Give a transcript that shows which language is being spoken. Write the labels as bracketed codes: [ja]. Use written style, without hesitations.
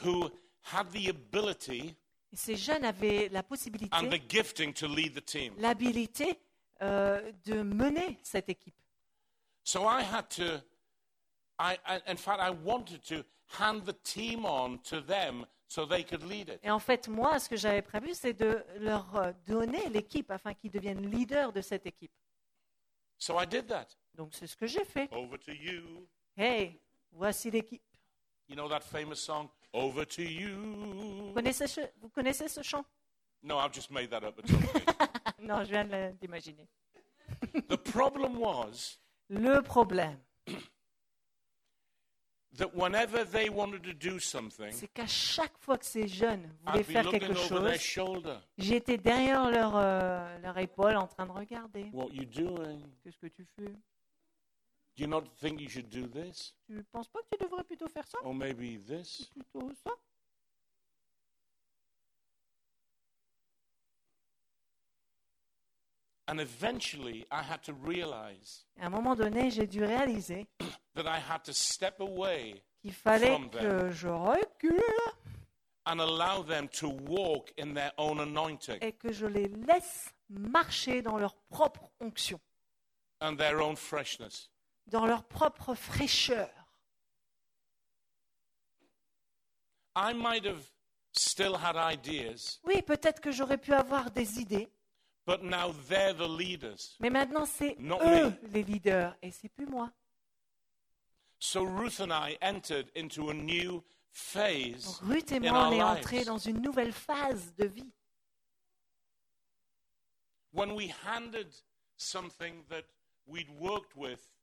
[en] Who had the ability. [fr] Et ces jeunes avaient la possibilité, [en] and the gifting to lead the team. [fr] L'habilité de mener cette équipe. [en] So I had to, in fact, I wanted to hand the team on to them so they could lead it. [fr] Et en fait, moi, ce que j'avais prévu, c'est de leur donner l'équipe afin qu'ils deviennent leaders de cette équipe. [en] So I did that. [fr] Donc c'est ce que j'ai fait. [en] Over to you. [fr] Hey, voici l'équipe. [en] You know that famous song? Over to you. [fr] Vous connaissez ce chant? [en] No, I've just made that up. [fr] Non, je viens d'imaginer. [en] The problem was. [fr] Le problème. [en] That whenever they wanted to do something. [fr] C'est qu'à chaque fois que ces jeunes voulaient faire quelque chose, [en] their shoulder, [fr] j'étais derrière leur épaule en train de regarder. [en] What you doing? [fr] Qu'est-ce que tu fais? [en] Do you not think you should do this? [fr] Tu ne penses pas que tu devrais plutôt faire ça? [en] Or maybe this? [fr] Plutôt ça? [en] And eventually, I had to realize. [fr] À un moment donné, j'ai dû réaliser [en] that I had to step away. [fr] Qu'il fallait que je recule. [en] And allow them to walk in their own anointing. [fr] Et que je les laisse marcher dans leur propre onction. [en] And their own freshness. [fr] Dans leur propre fraîcheur. [en] I might have still had ideas, [fr] oui, peut-être que j'aurais pu avoir des idées. [en] But now they're the leaders, [fr] mais maintenant, c'est [en] not [fr] eux [en] me. [fr] Les leaders et ce n'est plus moi. [en] So Ruth and I entered into a new phase. [fr] Donc, Ruth et moi, on est entrés dans une nouvelle phase de vie. [en] When we handed something that we'd worked with.